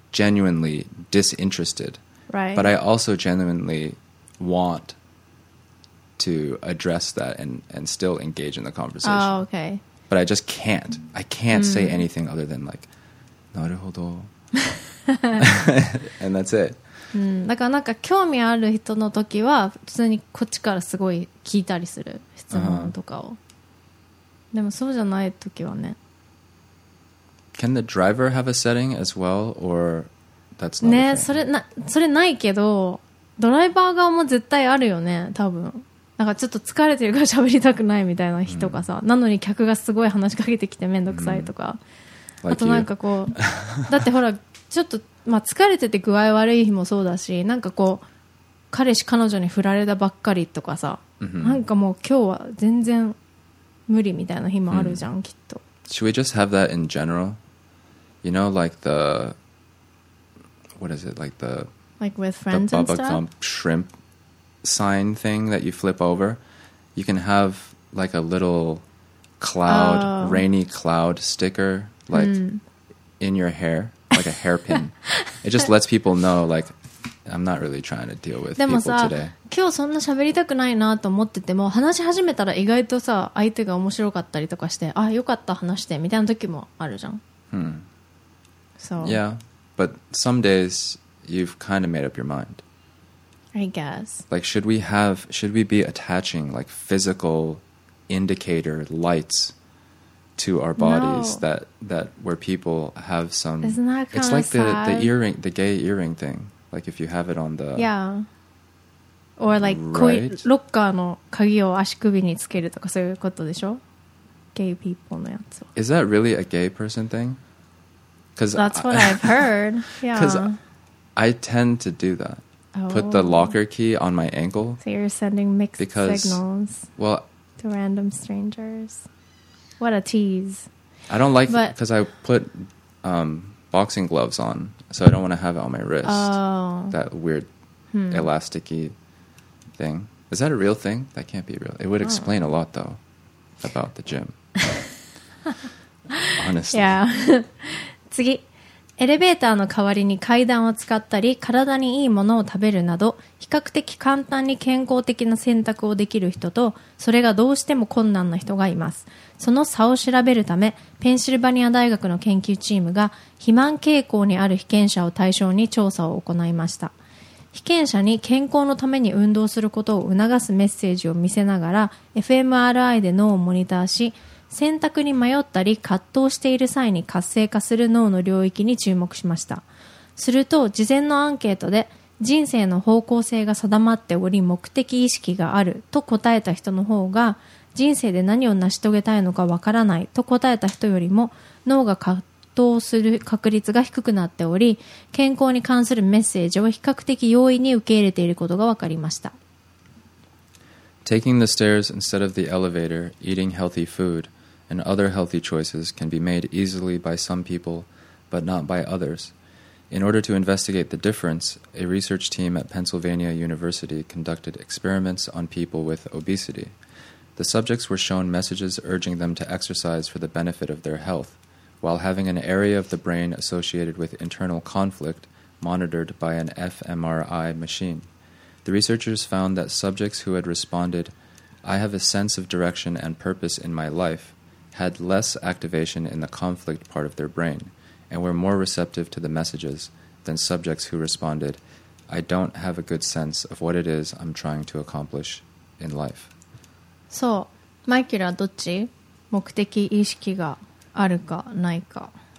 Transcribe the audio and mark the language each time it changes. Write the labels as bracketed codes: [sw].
[en] Genuinely disinterested, right? But I also genuinely want to address that and still engage in the conversation. Oh, okay. But I just can't. I can't、mm. say anything other than like, [ja] なるほど [en] and that's it. [ja] だからなんか興味ある人の時は普通にこっちからすごい聞いたりする質問とかを。でもそうじゃない時はね。 [en] Can the driver have a setting as well, or that's not [ja] ね、それないけど、ドライバー側も絶対あるよね、多分。なんかちょっと疲れてるから喋りたくないみたいな日とかさ、mm. なのに客がすごい話しかけてきてめんどくさいとか。 [en] Mm. Like、 [ja] あとなんかこう、だってほら、ちょっと、まあ疲れてて具合悪い日もそうだし、なんかこう、彼氏彼女に振られたばっかりとかさ、 mm-hmm. なんかもう今日は全然無理みたいな日もあるじゃん、mm. きっと。 [en] Should we just have that in general? You know, like the... What is it? Like the... Like with friends and stuff? The Bubba Gump shrimp sign thing that you flip over. You can have like a little cloud,、oh. rainy cloud sticker. Like、mm. in your hair, like a hairpin. It just lets people know, like, I'm not really trying to deal with people today. [ja] でもさ、今日そんな喋りたくないなと思ってても、話し始めたら意外とさ、相手が面白かったりとかして、あ、よかった話してみたいな時もあるじゃん。 Hmm. [en] So. Yeah, but some days you've kind of made up your mind. I guess. Like, should we be attaching like physical indicator lights to our bodies No. that where people have some? Isn't that kind of sad? It's like the earring, the gay earring thing. Like if you have it on the yeah, or like [ja] locker の鍵を足首につけるとかそういうことでしょ? [en] Gay people [ja] のやつ。 [en] Is that really a gay person thing? That's what I've heard. Yeah. Because I tend to do that. Oh. Put the locker key on my ankle. So you're sending mixed because, signals. Well, to random strangers. What a tease. I don't like it because I put boxing gloves on. So I don't want to have it on my wrist. Oh. That weird elasticy thing. Is that a real thing? That can't be real. It would explain a lot, though, about the gym. Honestly. Yeah. [ja] 次、エレベーターの代わりに階段を使ったり、体にいいものを食べるなど、比較的簡単に健康的な選択をできる人と、それがどうしても困難な人がいます。その差を調べるため、ペンシルバニア大学の研究チームが、肥満傾向にある被験者を対象に調査を行いました。被験者に健康のために運動することを促すメッセージを見せながら、fMRI で脳をモニターし、選択に迷ったり葛藤している際に活性化する脳の領域に注目しました。すると事前のアンケートで人生の方向性が定まっており目的意識があると答えた人の方が人生で何を成し遂げたいのかわからないと答えた人よりも脳が葛藤する確率が低くなっており健康に関するメッセージを比較的容易に受け入れていることがわかりました。 [en] Taking the stairs instead of the elevator, eating healthy food, and other healthy choices can be made easily by some people, but not by others. In order to investigate the difference, a research team at Pennsylvania University conducted experiments on people with obesity. The subjects were shown messages urging them to exercise for the benefit of their health, while having an area of the brain associated with internal conflict monitored by an fMRI machine. The researchers found that subjects who had responded, I have a sense of direction and purpose in my life, had less activation in the conflict part of their brain, and were more receptive to the messages than subjects who responded, I don't have a good sense of what it is I'm trying to accomplish in life. [ja] So, Michael, どっち? 目的意識があるかないか?